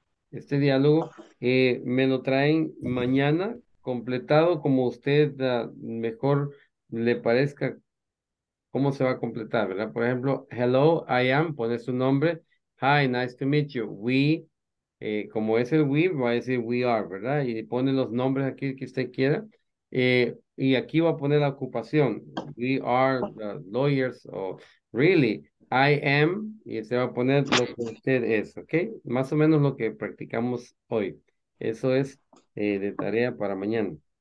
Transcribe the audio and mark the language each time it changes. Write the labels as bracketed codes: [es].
[es] Este diálogo me lo traen mañana completado, como usted mejor le parezca cómo se va a completar, ¿verdad? Por ejemplo, [en] hello, I am, [es] pone su nombre. [en] Hi, nice to meet you. [es] Como es el we, va a decir [en] we are, [es] ¿verdad? Y pone los nombres aquí que usted quiera. Y aquí va a poner la ocupación. [en] We are the lawyers, o really, I am. [es] Y se va a poner lo que usted es, ¿ok? Más o menos lo que practicamos hoy. Eso es de tarea para mañana.